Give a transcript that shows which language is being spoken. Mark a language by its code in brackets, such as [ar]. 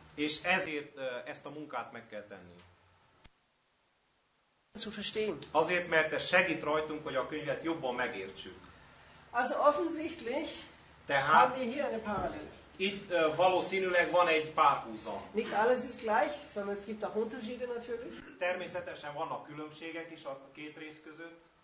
[hu] És ezért ezt a munkát meg kell tenni. [de] Zu verstehen. [hu] Azért, mert ez segít rajtunk, hogy a könyvet jobban megértsük. [de] Also offensichtlich. [hu] Tehát itt valószínűleg van egy párhuzam. [de] Nicht alles ist gleich, sondern es gibt auch Unterschiede natürlich. [hu] Természetesen vannak különbségek is a két rész között.